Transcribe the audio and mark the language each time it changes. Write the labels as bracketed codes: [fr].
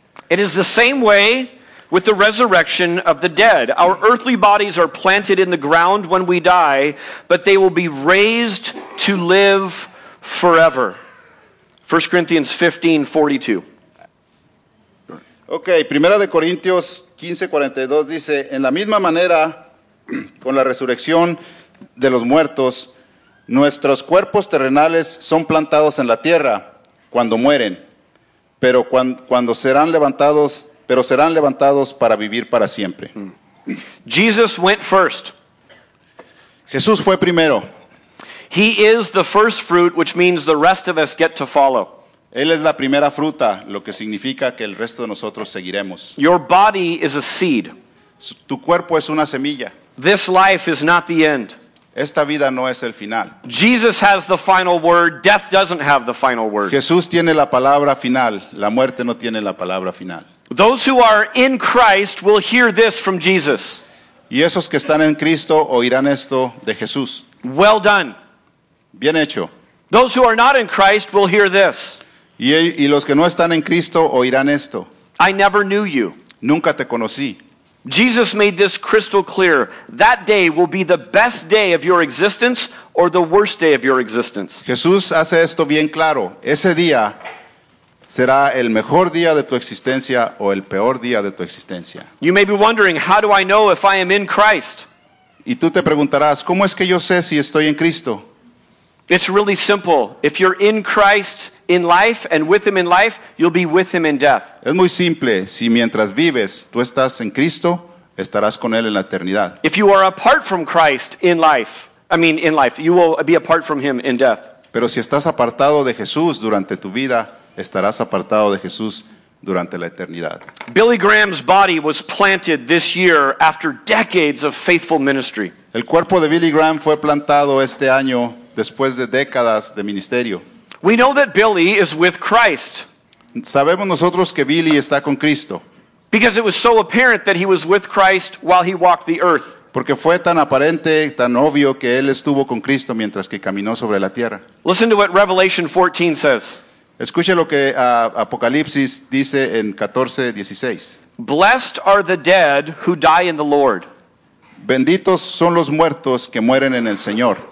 [en] It is the same way with the resurrection of the dead. Our earthly bodies are planted in the ground when we die, but they will be raised to live forever. 1 Corinthians 15, 42. [es] Okay, Primera de Corintios 15, 42 dice, en la misma manera, con la resurrección de los muertos, nuestros cuerpos terrenales son plantados en la tierra cuando mueren, pero cuando serán levantados, pero serán levantados para vivir para siempre. [en] Jesus went first. [es] Jesús fue primero. [en] He is the first fruit, which means the rest of us get to follow. [es] Él es la primera fruta, lo que significa que el resto de nosotros seguiremos. [en] Your body is a seed. [es] Tu cuerpo es una semilla. [en] This life is not the end. [es] Esta vida no es el final. [en] Jesus has the final word. Death doesn't have the final word. [es] Jesús tiene la palabra final. La muerte no tiene la palabra final. [en] Those who are in Christ will hear this from Jesus. [es] Y esos que están en Cristo oirán esto de Jesús. [en] Well done. [es] Bien hecho. [en] Those who are not in Christ will hear this. [es] Y los que no están en Cristo oirán esto. [en] I never knew you. [es] Nunca te conocí. [en] Jesus made this crystal clear. That day will be the best day of your existence or the worst day of your existence. [es] Jesús hace esto bien claro. Ese día será el mejor día de tu existencia o el peor día de tu existencia. [en] You may be wondering, how do I know if I am in Christ? [es] Y tú te preguntarás, ¿cómo es que yo sé si estoy en Cristo? [en] It's really simple. If you're in Christ in life and with him in life, you'll be with him in death. [es] Es muy simple. Si mientras vives, tú estás en Cristo, estarás con él en la eternidad. [en] If you are apart from Christ in life, you will be apart from him in death. [es] Pero si estás apartado de Jesús durante tu vida, estarás apartado de Jesús durante la eternidad. [en] Billy Graham's body was planted this year after decades of faithful ministry. [es] El cuerpo de Billy Graham fue plantado este año después de décadas de ministerio. [en] We know that Billy is with Christ. [es] Sabemos nosotros que Billy está con Cristo. [en] Because it was so apparent that he was with Christ while he walked the earth. [es] Porque fue tan aparente, tan obvio que él estuvo con Cristo mientras que caminó sobre la tierra. [en] Listen to what Revelation 14 says. [es] Escuche lo que Apocalipsis dice en 14:16. [en] Blessed are the dead who die in the Lord. [es] Benditos son los muertos que mueren en el Señor.